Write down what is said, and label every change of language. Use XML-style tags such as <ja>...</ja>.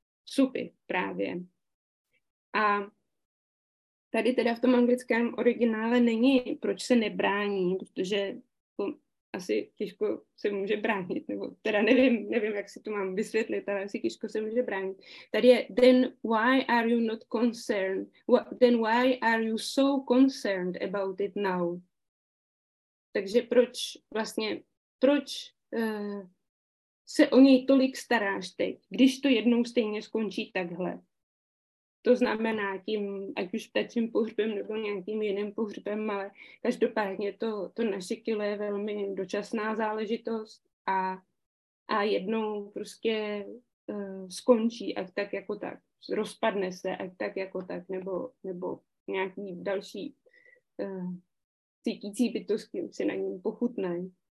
<cs>Supy právě. A tady teda v tom anglickém originále není, proč se nebrání, protože to asi těžko se může bránit, nebo teda nevím, jak si to mám vysvětlit, ale asi těžko se může bránit. Tady je,</cs> <en>then why are you not concerned? Then why are you so concerned about it now?</en> <cs>Takže proč vlastně, proč se o něj tolik staráš teď, když to jednou stejně skončí takhle? To znamená tím, ať už ptačím pohřbem nebo nějakým jiným pohřbem, ale každopádně to naše kilo je velmi dočasná záležitost a jednou prostě skončí, ať tak jako tak, rozpadne se, ať tak jako tak, nebo nějaký další cítící bytosti už se na něm pochutne.</cs>